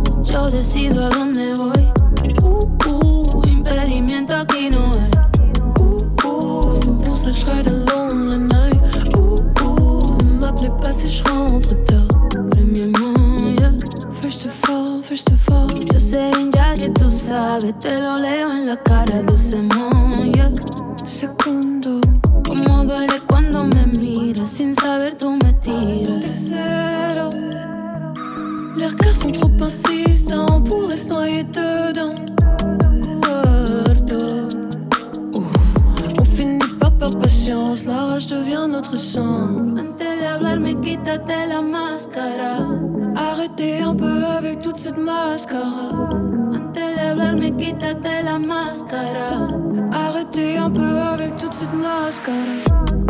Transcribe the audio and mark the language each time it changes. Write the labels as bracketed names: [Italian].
[Spanish] Yo decido a dónde voy. Impedimento aquí no hay. [English] Simple, so I try to learn the night. [French] M'appelez pas si je rentre tard. Premièrement, yeah. [English] First of all, first of all. [Spanish] Yo sé bien ya que tú sabes. Te lo leo en la cara, dulcemón, yeah. Segundo, cómo duele cuando me miras. Sin saber tú me tiras. [French] Tercero, les regards sont trop insistants pour se noyer dedans. Cuarto, on finit par perdre patience. La rage devient notre sang. [Spanish] Antes de hablar, me quitate la máscara. [French] Arrêtez un peu avec toute cette mascara. [Spanish] Antes de hablar, me quitate la máscara. [French] Arrêtez un peu avec toute cette mascara.